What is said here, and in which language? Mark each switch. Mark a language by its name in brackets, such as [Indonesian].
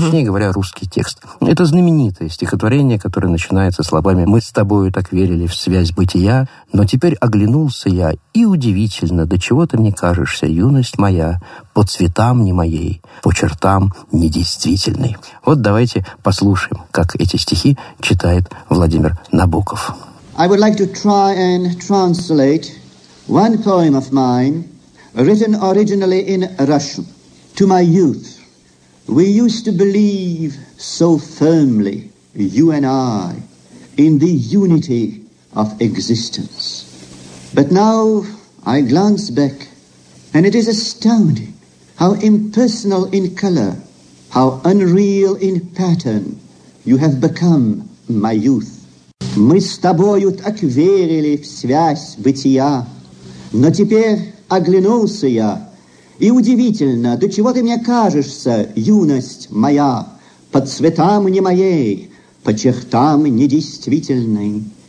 [Russian] Точнее говоря, русский текст. Это знаменитое стихотворение, которое начинается словами «Мы с тобою так верили в связь бытия, но теперь оглянулся я, и удивительно, до чего ты мне кажешься, юность моя, по цветам не моей, по чертам недействительной». Вот давайте послушаем, как эти стихи читает Владимир Набоков. [English] I would like to try and translate one poem of mine, written originally in Russian, to my youth. We used to believe so firmly, you and I, in the unity of existence. But now I glance back, and it is astounding how impersonal in color, how unreal in pattern, you have become, my youth. [Russian] Мы с тобою так верили в связь бытия, но теперь оглянулся я, и удивительно, до чего ты мне кажешься, юность моя, по цветам не моей, по чертам недействительной.